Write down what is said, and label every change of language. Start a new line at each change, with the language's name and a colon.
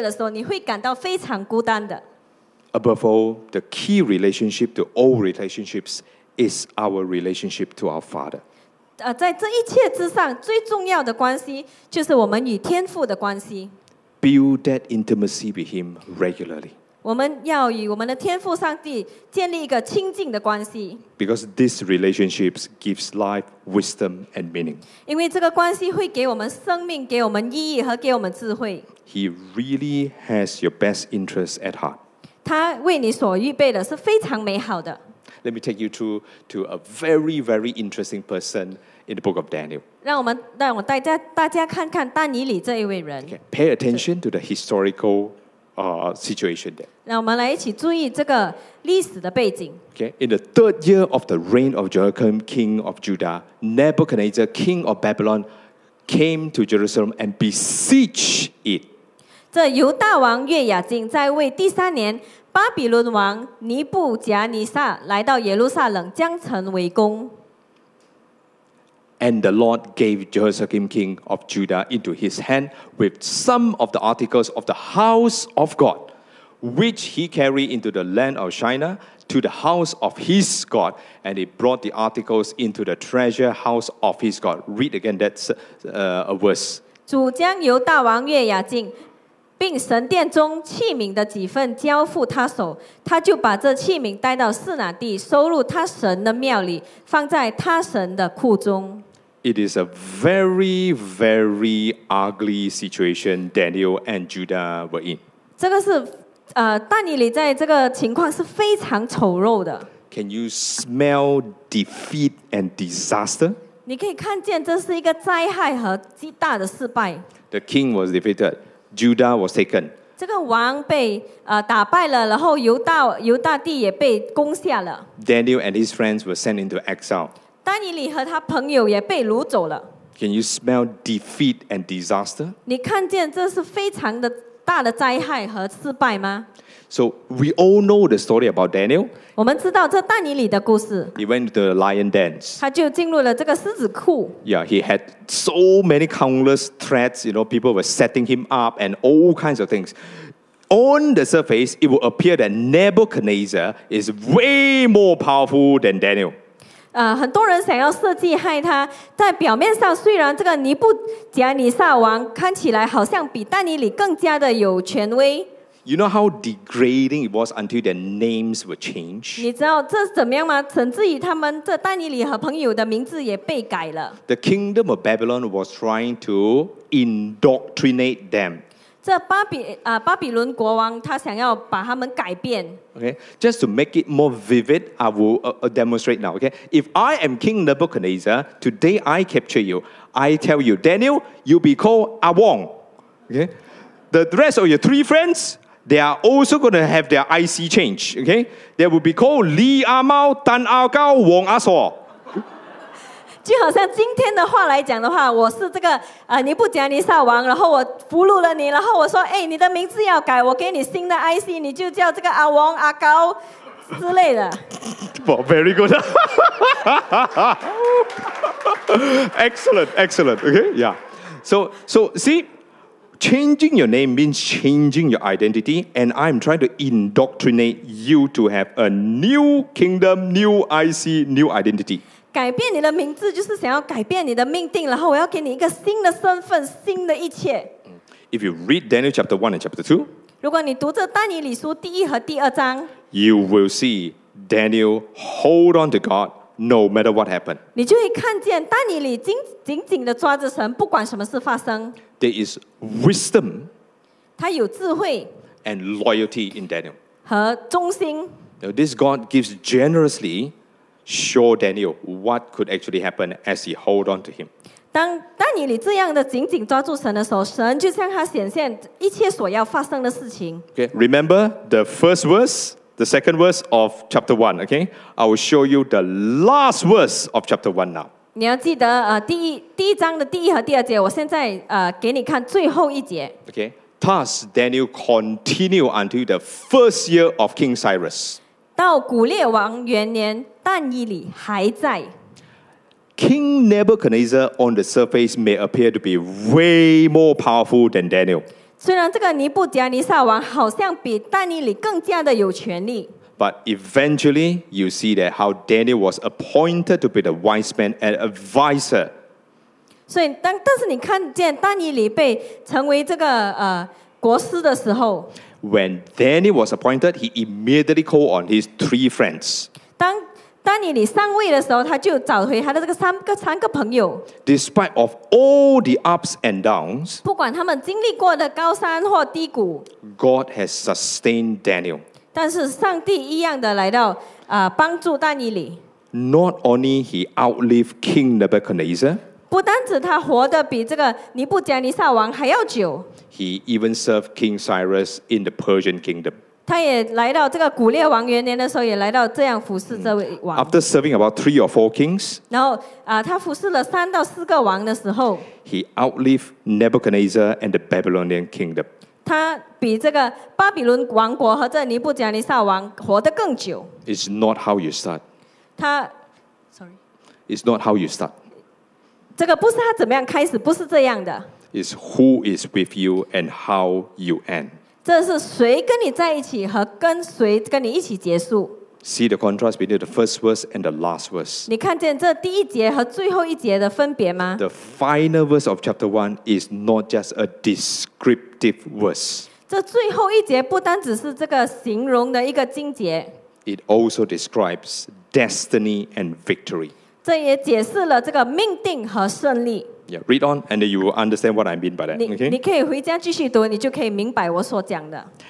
Chinese: 即使你登上了高峰，但是你没有其他人和你一起分享这一份喜悦的时候，你会感到非常孤单的。
English: Above all, the key relationship to all relationships is our relationship to our Father.
Chinese: 在这一切之上，最重要的关系就是我们与天父的关系。
English: Build that intimacy with Him regularly.
Chinese: 我们要与我们的天父上帝建立一个亲近的关系。
English: Because this relationship gives life, wisdom, and meaning.
Chinese: 因为这个关系会给我们生命，给我们意义和给我们智慧。
English: He really has your best interests at heart.
Chinese: 他为你所预备的是非常美好的。
English: Let me take you to a very, very interesting person. In the book of Daniel.
Chinese: 让我们带大家看看丹尼里这一位人。
English: Okay, pay attention to the historical situation there.
Chinese: 让我们来一起注意这个历史的背景。
English: Okay, in the third year of the reign of Jehoiakim, king of Judah, Nebuchadnezzar, king of Babylon, came to Jerusalem and besieged it.
Chinese: 这犹大王约雅敬在位第三年，巴比伦王尼布甲尼撒来到耶路撒冷，将城围攻。
English: And the Lord gave Jehoiakim, king of Judah, into his hand with some of the articles of the house of God, which he carried into the land of Shinar to the house of his God. And he brought the articles into the treasure house of his God. Read again that verse.
Chinese: 主将犹大王约雅敬 并神殿中器皿的几份交付他手，他就把这器皿带到示拿地，收入他神的庙里，放在他神的库中。
English: It is a very, very ugly situation Daniel and Judah were in.
Chinese: 这个是，但以理在这个情况是非常丑陋的。
English: Can you smell defeat and disaster?
Chinese: 你可以看见这是一个灾害和极大的失败。
English: The king was defeated. Judah was taken.
Chinese: 这个王被打败了，然后犹大地也被攻下了。
English: Daniel and his friends were sent into exile.
Chinese: 丹尼里和他朋友也被掳走了。
English: Can you smell defeat and disaster?
Chinese: 你看见这是非常的大的灾害和失败吗？
English: So we all know the story about Daniel.
Chinese: 我们知道这但以理的故事。
English: He went to the lion dens.
Chinese: 他就进入了这个狮子库。
English: Yeah, he had so many countless threats. You know, people were setting him up and all kinds of things. On the surface, it will appear that Nebuchadnezzar is way more powerful than Daniel.
Chinese: 很多人想要设计害他。在表面上，虽然这个尼布甲尼撒王看起来好像比但以理更加的有权威。
English: You know how degrading it was until their names were changed?
Chinese: 你知道这怎么样吗？甚至于他们这但以理和朋友的名字也被改了。
English: The kingdom of Babylon was trying to indoctrinate them.
Chinese: 这巴比伦国王他想要把他们改变。
English: Okay, just to make it more vivid, I will demonstrate now. Okay, if I am King Nebuchadnezzar, today I capture you. I tell you, Daniel, you be called Awong. Okay, the rest of your three friends,They are also going to have their IC change, okay? They will be called Li Amao, Tan Ao Gao, Wong Aso.
Chinese: 就好像今天的话来讲的话，我是这个尼布甲尼撒王，然后我俘虏了你，然后我说，哎，你的名字要改，我给你新的 IC， 你就叫这个阿王阿高之类的。
English: Well, very good. excellent, excellent. Okay, yeah. So see. Changing your name means changing your identity, and I'm trying to indoctrinate you to have a new kingdom, new IC, new identity.
Chinese: 改变你的名字就是想要改变你的命定，然后我要给你一个新的身份，新的一切。
English: If you read Daniel chapter 1 and chapter 2,
Chinese: 如果你读这但以理书第一和第二章,
English: you will see Daniel hold on to God no matter what happened.
Chinese: 你就会看见但以理紧紧地抓着神，不管什么事发生。
English: There is wisdom,
Chinese: 他有智慧
English: and loyalty in Daniel.
Chinese: 和忠心
English: Now, this God gives generously, show Daniel what could actually happen as he hold on to him.
Chinese: 当但以理这样的紧紧抓住神的时候，神就向他显现一切所要发生的事情。
English: Okay, remember the first verse, the second verse of chapter 1, okay? I will show you the last verse of chapter 1 now.
Chinese: 你要记得第一章的第一和第二节，我现在给你看最后一节。
English: Okay, thus Daniel continued until the first year of King Cyrus.
Chinese: 到古列王元年，但以理还在。
English: King Nebuchadnezzar on the surface may appear to be way more powerful than Daniel.
Chinese: 虽然这个尼布甲尼撒王好像比但以理更加的有权力。
English: But eventually, you see that how Daniel was appointed to be the wise man and advisor.
Chinese: 所以但是你看见但以理被成为这个国师的时候
English: ，When Daniel was appointed, he immediately called on his three friends.
Chinese: 当但以理上位的时候，他就找回他的这个三个朋友。
English: Despite of all the ups and downs,
Chinese: 不管他们经历过的高山或低谷
English: ，God has sustained Daniel.
Chinese: 但是上帝一样的来到帮助但以理。
English: Not only he outlived King Nebuchadnezzar,
Chinese: 不单止他活得比这个尼布甲尼撒王还要久。
English: He even served King Cyrus in the Persian kingdom.
Chinese: 他也来到这个古列王元年的时候，也来到这样服侍这位王。
English: After serving about three or four kings,
Chinese: 然后他服侍了三到四个王的时候
English: ，He outlived Nebuchadnezzar and the Babylonian kingdom.
Chinese: 他比这个巴比伦王国和这尼布甲尼撒王活得更久。
English: It's not how you start. 他 ，sorry. It's not how you start.
Chinese: 这个不是他怎么样开始，不是这样的。
English: It's who is with you and how you end.
Chinese: 这是谁跟你在一起和跟谁跟你一起结束。
English: See the contrast between the first verse and the last verse.
Chinese: 你看见这第一节和最后一节的分别吗
English: ？The final verse of chapter 1 is not just a descriptive verse.
Chinese: 这最后一节不单只是这个形容的一个经节。
English: It also describes destiny and victory.
Chinese: 这也解释了这个命定和胜利。
English: Yeah, read on, and you will understand what I mean by that.
Chinese: 你可以回家继续读，你就可以明白我所讲的。